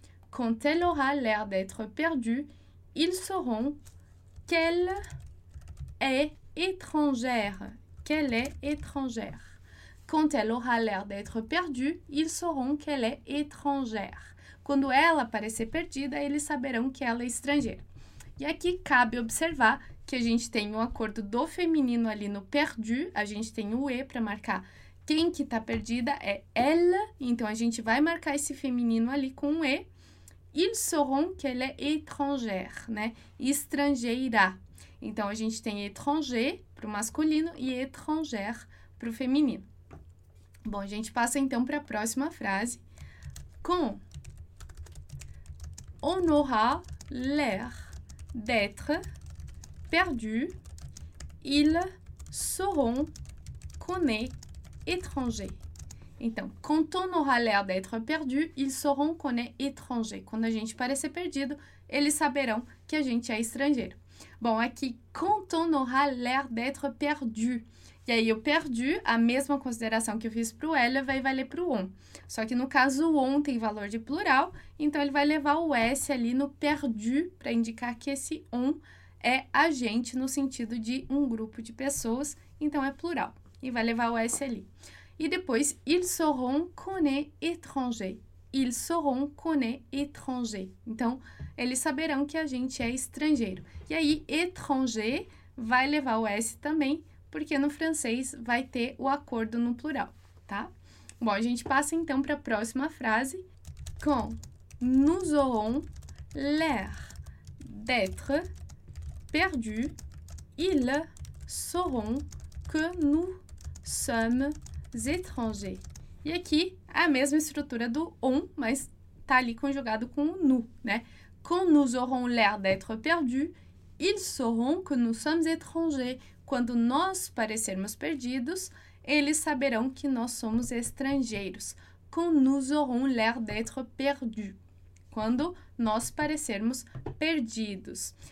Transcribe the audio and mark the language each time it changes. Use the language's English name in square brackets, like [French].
[French] Quand elle aura l'air d'être perdu, ils sauront qu'elle est étrangère. Qu'elle est étrangère. Quand elle aura l'air d'être perdue, ils sauront qu'elle est étrangère. [Portuguese] Quando ela parecer perdida, eles saberão que ela é estrangeira. E aqui cabe observar que a gente tem um acordo do feminino ali no perdu, a gente tem o E para marcar quem que está perdida, é ela, então a gente vai marcar esse feminino ali com o E. [French] Ils sauront qu'elle est étrangère, né? [Portuguese] Estrangeira. Então a gente tem étranger para o masculino e étrangère para o feminino. Bom, a gente passa então para a próxima frase. [French] quand on aura l'air d'être perdu, ils sauront qu'on est étranger. Então, quand on aura l'air d'être perdu, ils sauront qu'on est étranger. [Portuguese] Quando a gente parecer perdido, eles saberão que a gente é estrangeiro. Bom, aqui, [French] quand on aura l'air d'être perdu. [Portuguese] E aí, o perdu, a mesma consideração que eu fiz para o L, vai valer para o on. Só que no caso, o on tem valor de plural, então ele vai levar o S ali no perdu, para indicar que esse on é a gente, no sentido de um grupo de pessoas, então é plural, e vai levar o S ali. E depois, [French] ils sauront qu'on est étranger. Ils sauront qu'on est étranger. [Portuguese] Então, eles saberão que a gente é estrangeiro. E aí, étranger vai levar o S também, porque no francês vai ter o acordo no plural, tá? Bom, a gente passa então para a próxima frase. [French] Quand nous aurons l'air d'être perdus, ils sauront que nous sommes étrangers. [Portuguese] E aqui é a mesma estrutura do on, mas tá ali conjugado com o nous, né? [French] Quand nous aurons l'air d'être perdus, ils sauront que nous sommes étrangers. [Portuguese] Quando nós parecermos perdidos, eles saberão que nós somos estrangeiros. [French] Quand nous aurons l'air d'être perdus. [Portuguese] Quando nós parecermos perdidos.